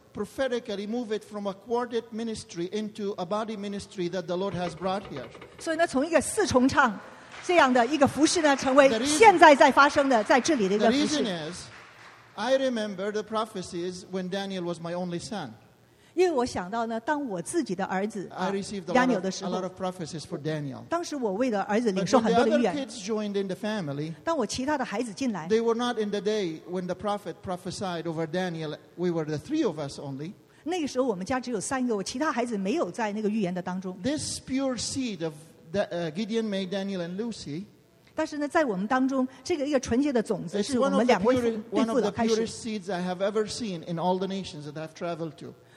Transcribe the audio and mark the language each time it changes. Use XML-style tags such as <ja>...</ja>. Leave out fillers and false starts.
<en>prophetically move it from a quartet ministry into a body ministry that the Lord has brought here.</en> <zh>所以呢,从一个四重唱, 这样的一个服饰呢, 成为现在在发生的, 在这里的一个服饰。</zh> <en>The reason is, I remember the prophecies when Daniel was my only son.</en> <zh>因为我想到呢, 当我自己的儿子,</zh> <en>I received a lot of prophecies for Daniel.</en> <zh>当时我为了儿子领受很多的预言,</zh> <en>but when the other kids joined in the family,</en> <zh>当我其他的孩子进来,</zh> <en>they were not in the day when the prophet prophesied over Daniel. We were the three of us only.</en> <zh>那个时候我们家只有三个, 我其他孩子没有在那个预言的当中。</zh> <en>This pure seed of Gideon, May, Daniel, and Lucy,</en> <zh>但是呢, 在我们当中, 这个一个纯洁的种子, 是我们两位父的开始。</zh> <en>One of the purest seeds I have ever seen in all the nations that I've traveled to.</en>